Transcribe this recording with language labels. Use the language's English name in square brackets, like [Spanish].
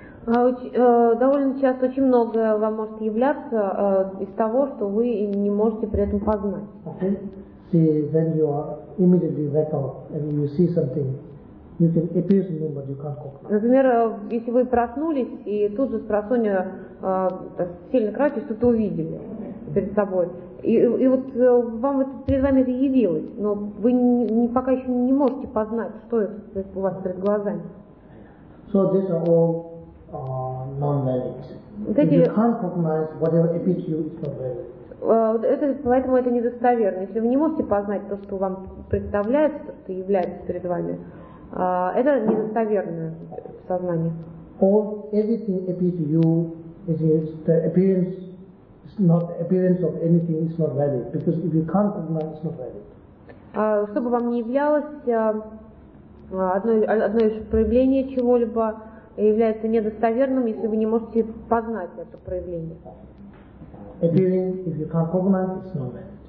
[Russian] Довольно часто очень многое вам может являться из того, что вы не можете при этом познать. [English] Okay. See, when you are immediately wake up and you see something, you can appear something, but you can't cognize. [Russian] Например, если вы проснулись и тут же с просонья сильно кратко что-то увидели перед собой, и вот вам это перед вами это явилось, но вы пока еще не можете познать, что это у вас перед глазами. [English] So these are all non-valid. If you can't cognize whatever appears to you, it's not valid. [Russian] Поэтому это недостоверно. Если вы не можете познать то, что вам представляется, то, что является перед вами, это недостоверное сознание. [English] All everything appears to you is the appearance, not the appearance of anything is not valid, because if you can't recognize, it's not valid. [Russian] Что бы вам ни являлось, одно из проявлений чего-либо является недостоверным, если вы не можете познать это проявление. [English] Appearing, if you can't cognize, it's not valid.